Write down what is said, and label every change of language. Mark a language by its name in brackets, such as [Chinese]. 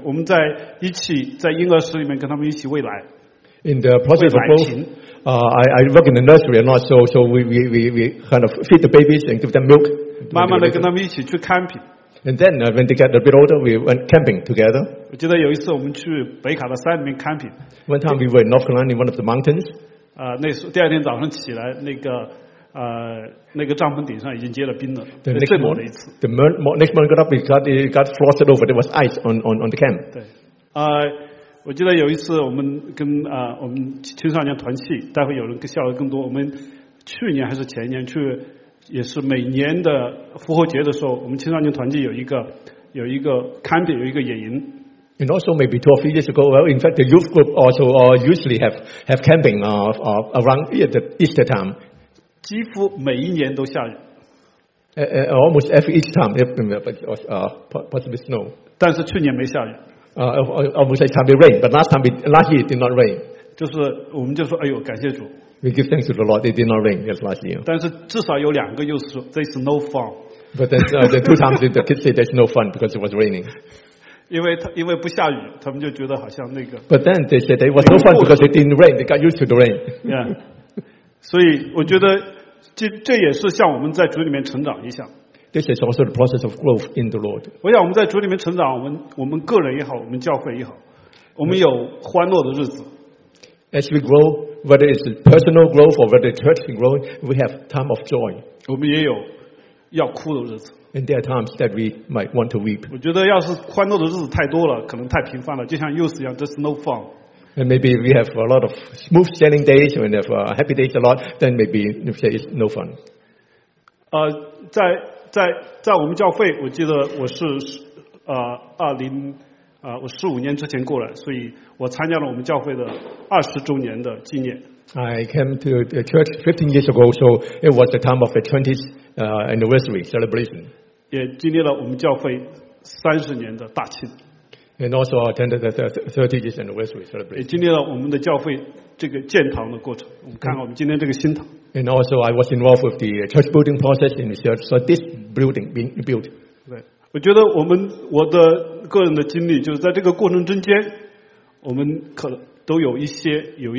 [Chinese] 我们在一起在婴儿室里面跟他们一起喂奶。 [English] In the process of growth, I work in the nursery a lot, so we kind of feed the babies and give them milk. [Chinese] 慢慢的跟他们一起去 camping. [English] And then when they get a bit older, we went camping together. [Chinese] 我记得有一次我们去北卡的山里面 camping. [English] One time we were in North Carolina in one of the mountains. [Chinese] 那时第二天早上起来，那个帐篷顶上已经结了冰了。 [English] The next morning, got up, it got frosted over. There was ice on the camp. [Chinese] 我记得有一次我们跟我们青少年团契，待会有人笑得更多。我们去年还是前年去，也是每年的复活节的时候，我们青少年团契有一个 camping， 有一个野营。 [English] And also maybe 12 years ago, well, in fact, the youth group also usually have camping around the Easter time. [Chinese] 几乎每一年都下雨。 [English] Almost every each time, possibly snow. [Chinese] 但是去年没下雨。 [English] Almost every time it rained, but last year it did not rain. [Chinese] 就是我们就说，哎呦，感谢主。 [English] We give thanks to the Lord, it did not rain, yes, last year. [Chinese] 但是至少有两个就是 [English] there's no fun. But then the two times the kids say there's no fun because it was raining. [Chinese] 因为不下雨，他们就觉得好像那个。 [English] But then they said it was no fun because it didn't rain. They got used to the rain. Yeah. [Chinese] 所以我觉得这也是像我们在主里面成长一样。 [English] This is also the process of growth in the Lord. [Chinese] 我想我们在主里面成长，我们个人也好，我们教会也好，我们有欢乐的日子。 [English] As we grow, whether it's personal growth or whether church growing, we have time of joy. [Chinese] 我们也有要哭的日子。 [English] And there are times that we might want to weep. [Chinese] 我觉得要是欢乐的日子太多了，可能太频繁了，就像 youth 一样 ， [English] just no fun. And maybe we have a lot of smooth sailing days and have happy days a lot. Then maybe you say it's no fun. [Chinese] 在我们教会，我记得我是我15年之前过来，所以我参加了我们教会的20周年的纪念。 [English] I came to the church 15 years ago, so it was the time of the 20th anniversary celebration. [Chinese] 也经历了我们教会30年的大庆。 [English] And also attended the 30th anniversary celebration. [Chinese] 也经历了我们的教会这个建堂的过程。我们看看我们今天这个新堂。 [English] And also I was involved with the church building process in the church, so this building being built. [Chinese] 我觉得我的个人的经历，就是在这个过程中间，我们可都有一些。